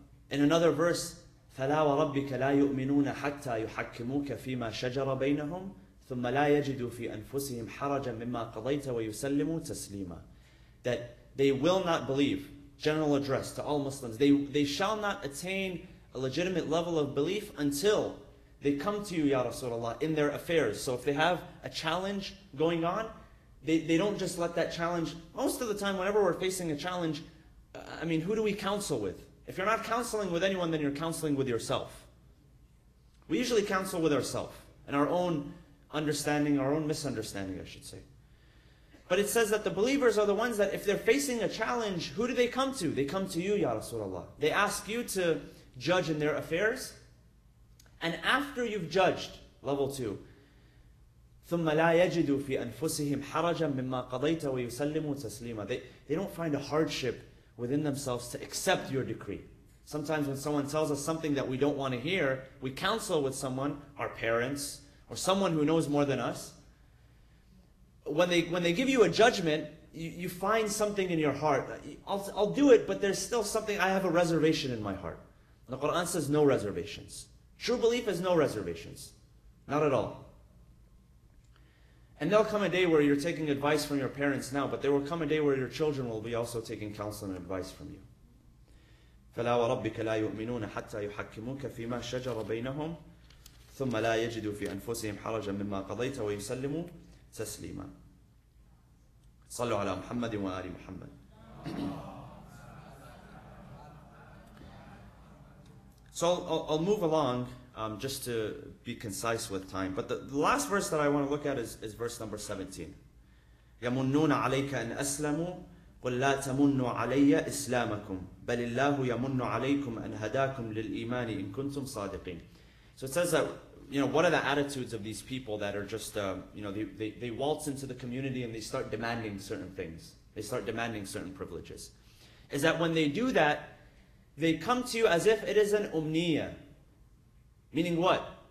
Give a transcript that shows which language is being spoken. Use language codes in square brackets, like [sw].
[en] In another verse, [ar] فَلَا وَرَبِّكَ لَا يُؤْمِنُونَ حَتَّى يُحَكِّمُوكَ فِي مَا شَجَرَ بَيْنَهُمْ ثُمَّ لَا يَجِدُوا فِي أَنفُسِهِمْ حَرَجًا مِمَّا قَضَيْتَ وَيُسَلِّمُوا تَسْلِيمًا. [en] That they will not believe, general address to all Muslims, they shall not attain a legitimate level of belief until they come to you, Ya Rasulullah, in their affairs. So if they have a challenge going on, they don't just let that challenge, most of the time whenever we're facing a challenge, I mean, who do we counsel with? If you're not counseling with anyone, then you're counseling with yourself. We usually counsel with ourselves and our own understanding, our own misunderstanding, I should say. But it says that the believers are the ones that if they're facing a challenge, who do they come to? They come to you, Ya Rasulullah. They ask you to judge in their affairs. And after you've judged, level 2, [ar] ثُمَّ لَا يَجِدُوا فِي أَنفُسِهِمْ حَرَجًا مِمَّا قَضَيْتَ وَيُسَلِّمُوا تَسْلِيمًا. [en] They don't find a hardship within themselves to accept your decree. Sometimes when someone tells us something that we don't want to hear, we counsel with someone, our parents, or someone who knows more than us. When they give you a judgment, you find something in your heart. I'll do it, but there's still something, I have a reservation in my heart. The Quran says no reservations. True belief is no reservations. Not at all. And there'll come a day where you're taking advice from your parents now, but there will come a day where your children will be also taking counsel and advice from you. [ar] فلا وربك لا يؤمنون حتى يحكموك فيما شجر بينهم ثم لا يجدوا في أنفسهم حرجا مما قضيت ويسلموا تسليما. صلوا على محمد وآل محمد. [en] So I'll move along just to be concise with time. But the last verse that I want to look at is verse number 17. [ar] يمنون عليك أن أسلموا قل لا تمنوا علي إسلامكم بل الله يمن عليكم أن هداكم للإيمان إن كنتم صادقين. [en] So it says that, you know, what are the attitudes of these people that are just, you know, they waltz into the community and they start demanding certain things. They start demanding certain privileges. Is that when they do that, they come to you as if it is an umniyah. Meaning what?